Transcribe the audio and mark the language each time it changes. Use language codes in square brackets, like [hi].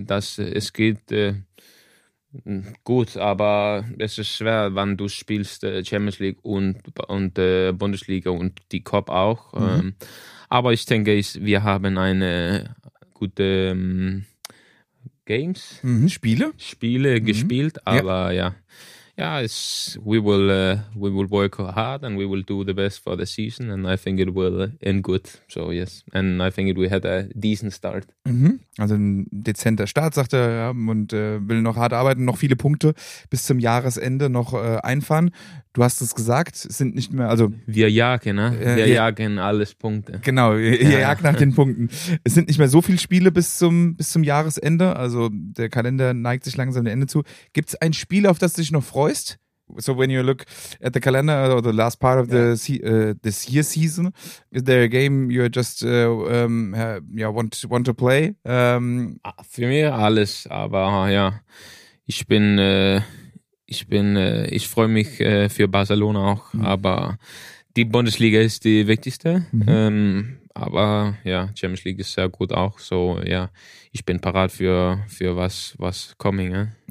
[de] Dass es geht gut, aber es ist schwer, wenn du spielst Champions League und Bundesliga und die Cup auch. Mhm. Aber ich denke, wir haben eine gute Games. Mhm, Spiele. Spiele mhm, gespielt, aber ja. Ja. [en] Ja, it's we will work hard and we will do the best for the season and I think it will end good. So yes, and I think we had a decent start. Mhm. [de] Also ein dezenter Start, sagt er, ja, und will noch hart arbeiten, noch viele Punkte bis zum Jahresende noch einfahren. Du hast es gesagt, sind nicht mehr, also wir jagen, ne? Wir jagen alles Punkte. Genau, ihr jagt nach den Punkten. Es sind nicht mehr so viele Spiele bis zum Jahresende, also der Kalender neigt sich langsam dem Ende zu. Gibt's ein Spiel, auf das du dich noch freust? [en] So when you look at the calendar or the last part of this year's season, is there a game you just want to play? [de] Für mich alles, aber ja, ich freue mich für Barcelona auch, mhm, aber die Bundesliga ist die wichtigste. Mhm. Aber ja, Champions League ist sehr gut auch. So ja, ich bin parat für [en] was coming. [de] Ja.